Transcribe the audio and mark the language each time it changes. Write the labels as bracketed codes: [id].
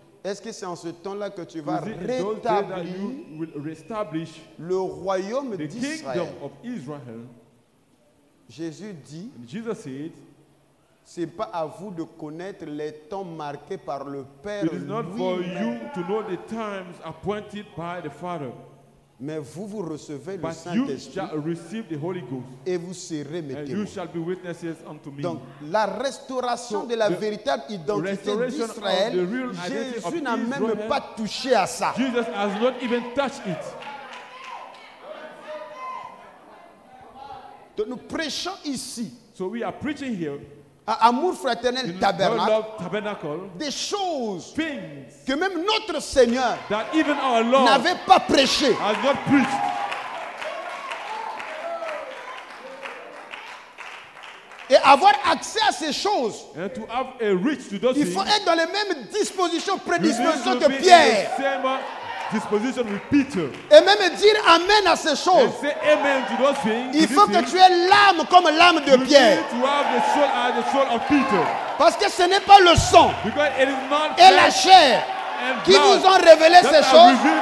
[fr] Est-ce que c'est en ce temps-là que tu vas rétablir [en] will reestablish [fr] le royaume [en] the [fr] d'Israël? [en] Kingdom of Israel? [fr] Jésus dit, [en] Jesus said, [fr] c'est pas à vous de connaître les temps marqués par le Père. [en] It is not for you to know the times appointed by the Father. [fr] Mais vous recevez [en] but [fr] le Saint-Esprit. [en] Shall receive the Holy Ghost, [fr] et vous serez mes témoins. [en] You shall be witnesses unto me. [fr] Donc la restauration [en] so [fr] de la véritable identité d'Israël, Jésus n'a [en] Israel, [fr] même pas touché à ça. [en] Jesus has not even touched it. [fr] Nous prêchons ici [en] so we are preaching here, [fr] à Amour Fraternel Tabernacle, [en] love, tabernacle [fr] des choses [en] things, [fr] que même notre Seigneur [en] that even our Lord [fr] n'avait pas prêché. [en] Has not preached. [fr] Et avoir accès à ces choses, [en] and to have a reach to those [fr] il faut [en] things, [fr] être dans les mêmes dispositions, prédispositions que Pierre. [en] Disposition with Peter. [fr] Et même dire amen à ces choses. [en] Say amen to those things, [fr] il faut [en] to [fr] que tu aies l'âme comme l'âme de [en] you [fr] Pierre. [en] Need to have the soul as the soul of Peter. [fr] Parce que ce n'est pas le sang [en] because it is not [fr] et la chair qui vous ont révélé ces choses.